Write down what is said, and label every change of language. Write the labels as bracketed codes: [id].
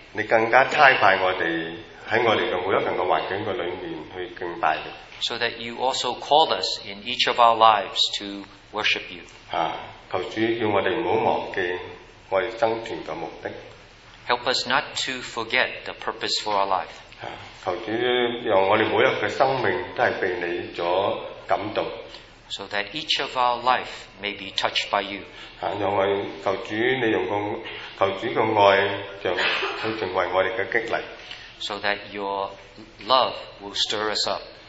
[yue] 你更加差派我哋喺我哋嘅每一份嘅環境嘅裏面去敬拜你。 [en] So that you also call us in each of our lives to worship you. [yue] 啊，求主叫我哋唔好忘記我哋生存嘅目的。 [en] Help us not to forget the purpose for our life. [yue] 啊，求主讓我哋每一個生命都係被你所感動。 [en] So that each of our life may be touched by you. [yue] 啊，讓我求主你用個求主嘅愛就去成為我哋嘅激勵。 [en] So that your love will stir us up.